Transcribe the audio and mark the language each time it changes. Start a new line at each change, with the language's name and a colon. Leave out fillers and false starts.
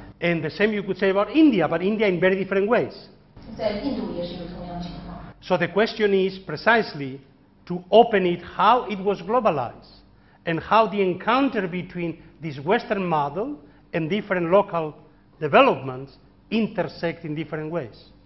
English: And the same you could say about India, but India in very different ways.
Chinese: 在印度也是有同样的情况。
English: So the question is precisely to open it how it was globalized and how the encounter between this Western model and different local developments intersect in different ways.